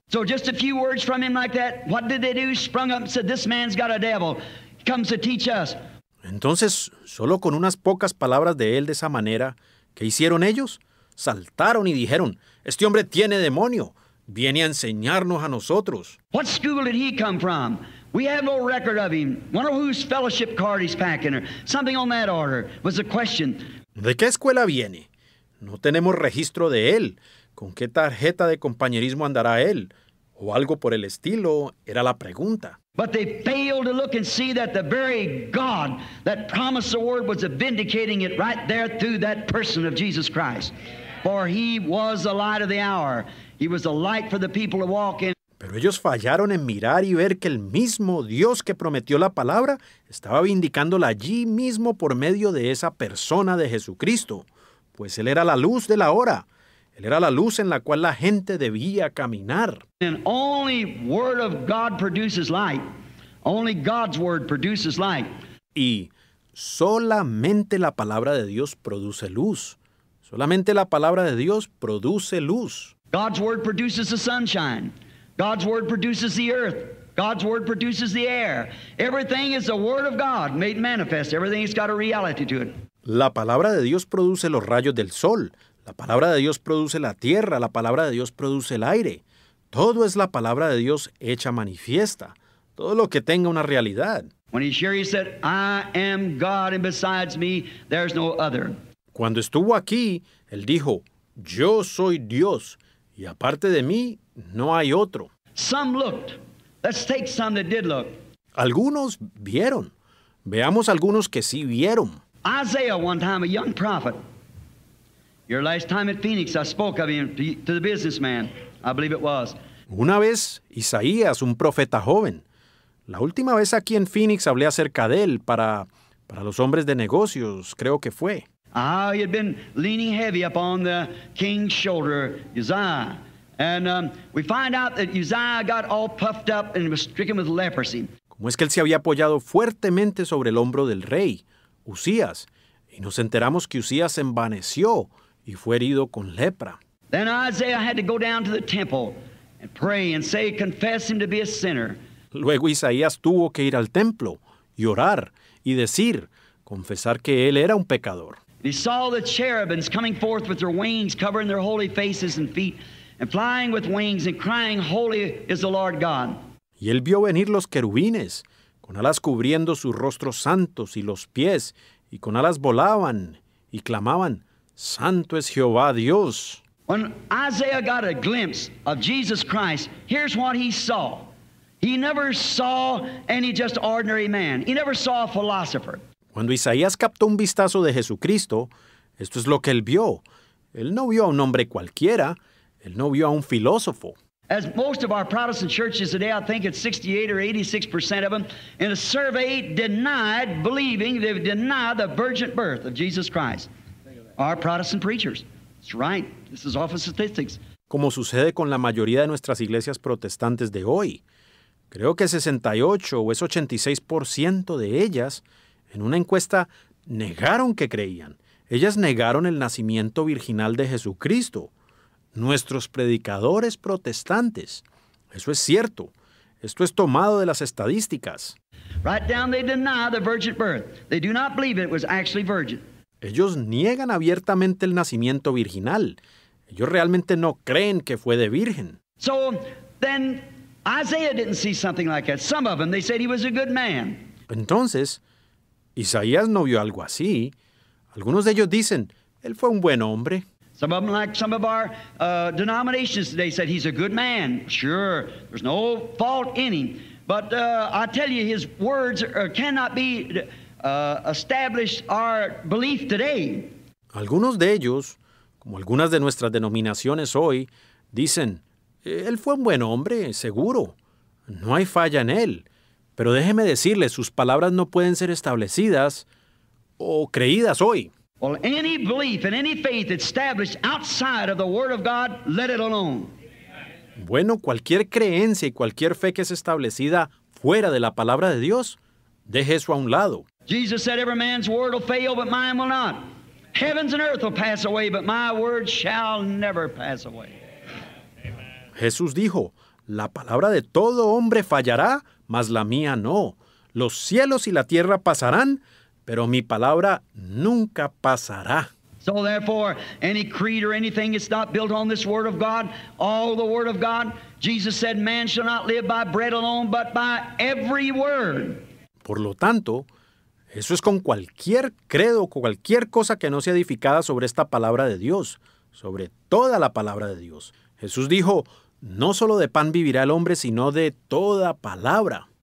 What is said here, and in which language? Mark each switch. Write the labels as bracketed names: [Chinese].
[English] So just a few words from him like that, what did they do? Sprung up and said, "This man's got a devil. He comes to teach us." [Spanish] Entonces, solo con unas pocas palabras de él de esa manera, ¿qué hicieron ellos? Saltaron y dijeron, "Este hombre tiene demonio. Viene a enseñarnos a nosotros." [English] What school did he come from? We have no record of him. Wonder whose fellowship card he's packing, or something on that order was the question. [Spanish] ¿De qué escuela viene? No tenemos registro de él. ¿Con qué tarjeta de compañerismo andará él? O algo por el estilo, era la pregunta. [English] But they failed to look and see that the very God that promised the Word was vindicating it right there through that person of Jesus Christ. For he was the light of the hour. He was the light for the people to walk in. [Spanish] Pero ellos fallaron en mirar y ver que el mismo Dios que prometió la palabra estaba vindicándola allí mismo por medio de esa persona de Jesucristo. Pues él era la luz de la hora. Él era la luz en la cual la gente debía caminar. [English] And only word of God produces light. Only God's word produces light. [Spanish] Y solamente la palabra de Dios produce luz. Solamente la palabra de Dios produce luz. [English] God's word produces the sunshine. God's word produces the earth. God's word produces the air. Everything is the word of God made manifest. Everything has got a reality to it. [Spanish] La palabra de Dios produce los rayos del sol. La palabra de Dios produce la tierra. La palabra de Dios produce el aire. Todo es la palabra de Dios hecha manifiesta. Todo lo que tenga una realidad. [English] When he shared, he said, "I am God, and besides me, there's no other." [Spanish] Cuando estuvo aquí, él dijo, "Yo soy Dios, y aparte de mí, no hay otro." [English] Some looked. Let's take some that did look. [Spanish] Algunos vieron. Veamos algunos que sí vieron. [English] Isaiah, one time, a young prophet. Your last time at Phoenix, I spoke of him to the businessman, I believe it was. [Spanish] Una vez, Isaías, un profeta joven. La última vez aquí en Phoenix hablé acerca de él para los hombres de negocios, creo que fue. [English] Ah, he had been leaning heavy upon the king's shoulder, Uzziah. And we find out that Uzziah got all puffed up and was stricken with leprosy. [Spanish] ¿Cómo es que él se había apoyado fuertemente sobre el hombro del rey, Uzías? Y nos enteramos que Uzías se envaneció y fue herido con lepra. [English] Then Isaiah had to go down to the temple and pray and say, confess him to be a sinner. [Spanish] Luego Isaías tuvo que ir al templo y orar y decir, confesar que él era un pecador. [English] He saw the cherubims coming forth with their wings covering their holy faces and feet and flying with wings and crying, holy is the Lord God. [Spanish] Y él vio venir los querubines con alas cubriendo sus rostros santos y los pies y con alas volaban y clamaban, santo es Jehová Dios. [English] When Isaiah got a glimpse of Jesus Christ, here's what he saw. He never saw any just ordinary man. He never saw a philosopher. [Spanish] Cuando Isaías captó un vistazo de Jesucristo, esto es lo que él vio. Él no vio a un hombre cualquiera. Él no vio a un filósofo. [English] As most of our Protestant churches today, I think it's 68 or 86% of them, in a survey denied believing, they deny the virgin birth of Jesus Christ. Our Protestant preachers. That's right. This is off of statistics. [Spanish] Como sucede con la mayoría de nuestras iglesias protestantes de hoy, creo que 68 o es 86% de ellas, en una encuesta, negaron que creían. Ellas negaron el nacimiento virginal de Jesucristo. Nuestros predicadores protestantes. Eso es cierto. Esto es tomado de las estadísticas. [English] Right down, they deny the virgin birth. They do not believe it was actually virgin. [Spanish] Ellos niegan abiertamente el nacimiento virginal. Ellos realmente no creen que fue de virgen. [English] So, then, Isaiah didn't see something like that. Some of them, they said he was a good man. [Spanish] Entonces, Isaías no vio algo así. Algunos de ellos dicen, él fue un buen hombre. [English] Some of them, like some of our denominations today, said he's a good man. Sure, there's no fault in him. But I tell you, his words cannot be established our belief today. [Spanish] Algunos de ellos, como algunas de nuestras denominaciones hoy, dicen, él fue un buen hombre, seguro. No hay falla en él. Pero déjeme decirle, sus palabras no pueden ser establecidas o creídas hoy. [English] Well, any belief and any faith established outside of the Word of God, let it alone. [Spanish] Bueno, cualquier creencia y cualquier fe que es establecida fuera de la palabra de Dios, deje eso a un lado. [English] Jesus said, every man's word will fail, but mine will not. Heavens and earth will pass away, but my word shall never pass away. [Spanish] Jesús dijo, la palabra de todo hombre fallará, mas la mía no. Los cielos y la tierra pasarán, pero mi palabra nunca pasará. [English] So therefore, any creed or anything that's not built on this word of God, all the word of God, Jesus said, man shall not live by bread alone, but by every word. [Spanish] Por lo tanto, eso es con cualquier credo, con cualquier cosa que no sea edificada sobre esta palabra de Dios, sobre toda la palabra de Dios. Jesús dijo, no solo de pan vivirá el hombre, sino de toda palabra.